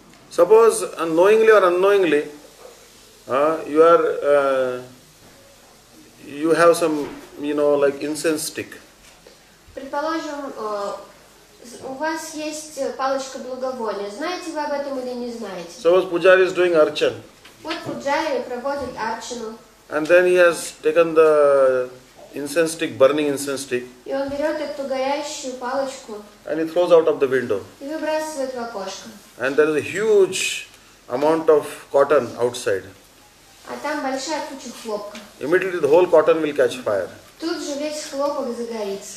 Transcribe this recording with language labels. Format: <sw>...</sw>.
<en>Suppose unknowingly or unknowingly you have some, you know, like incense stick.</en> <ru>Предположим, у вас есть палочка благовония. Знаете вы об этом или не знаете?</ru> <en>Suppose Pujari is doing archan.</en> <ru>Вот Pujari проводит archanu.</ru> <en>And then he has taken the incense stick, burning incense stick.</en> <ru>И он берет эту горящую палочку.</ru> <en>And he throws out of the window.</en> <ru>И выбрасывает в окошко.</ru> <en>And there is a huge amount of cotton outside.</en> <ru>А там большая куча хлопка.</ru> <en>Immediately the whole cotton will catch fire.</en> <ru>Тут же весь хлопок загорится.</ru>